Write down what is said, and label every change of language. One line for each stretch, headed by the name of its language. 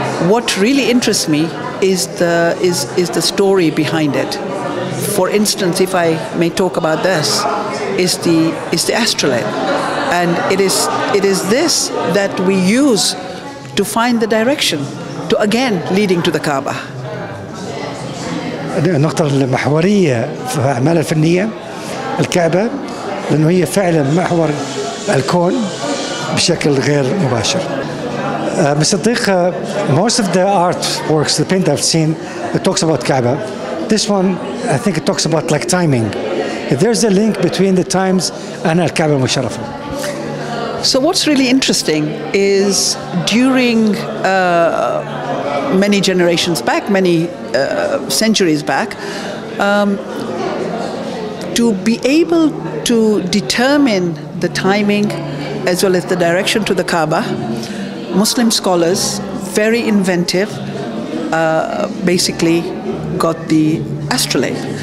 English: What really interests me is the story behind it. For instance, if I may talk about this, is the astrolabe, and it is this that we use to find the direction to again leading to the Kaaba.
Arabic: النقطة المحورية في الأعمال الفنية الكعبة لأنه هي فعلا محور الكون بشكل غير مباشر.
English: صديقه, most of the art works, the paint I've seen, it talks about Kaaba. This one, I think it talks about like timing. There's a link between the times and الكعبة المشرفة. So what's really interesting is during many generations back, many centuries back, to be able to determine the timing as well as the direction to the Kaaba, Muslim scholars, very inventive, basically got the astrolabe.